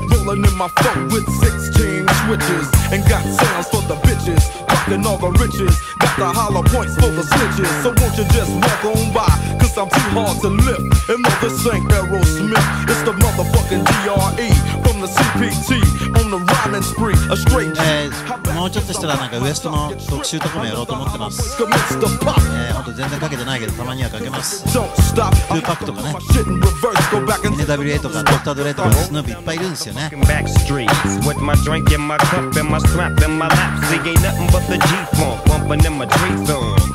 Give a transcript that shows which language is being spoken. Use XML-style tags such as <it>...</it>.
<en>Rolling in my phone with 16 switches and got sounds for the bitches. Fucking all the riches, got the hollow points for the snitches. So won't you just walk on by, cause I'm too hard to lift. And no, this ain't Aerosmith, it's the motherfucking DRE from the CPT.</en> <ja>もうちょっとしたらなんかウエストの特集とかもやろうと思ってます。ほんと全然かけてないけどたまにはかけます。 2パックとかね。NWA とかドクタードレイとかスヌーブいっぱいいるんですよね。</ja> <en>With my drink and my cup and my strap and my lap, see ain't nothing but the G-Funk bumping in my dream zone.</en>